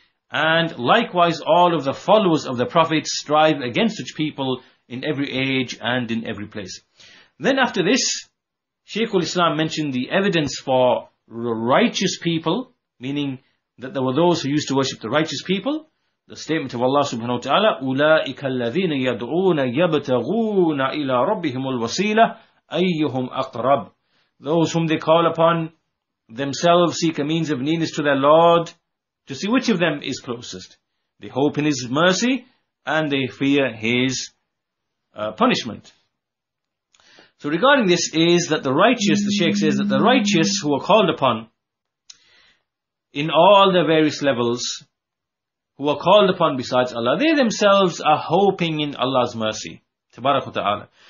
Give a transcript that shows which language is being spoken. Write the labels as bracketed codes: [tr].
[en] And likewise, all of the followers of the prophets strive against such people in every age and in every place. Then after this, Shaykh al-Islam mentioned the evidence for righteous people, meaning that there were those who used to worship the righteous people. The statement of Allah subhanahu wa ta'ala, [ar] أُولَٰئِكَ الَّذِينَ يَدْعُونَ يَبْتَغُونَ إِلَىٰ رَبِّهِمُ الْوَسِيلَةِ أَيُّهُمْ أَقْرَبُ. [en] Those whom they call upon themselves seek a means of nearness to their Lord, to see which of them is closest. They hope in His mercy and they fear His punishment. So regarding this is that the righteous, the Shaykh says that the righteous who are called upon in all their various levels, who are called upon besides Allah, they themselves are hoping in Allah's mercy. Tabarak wa ta'ala.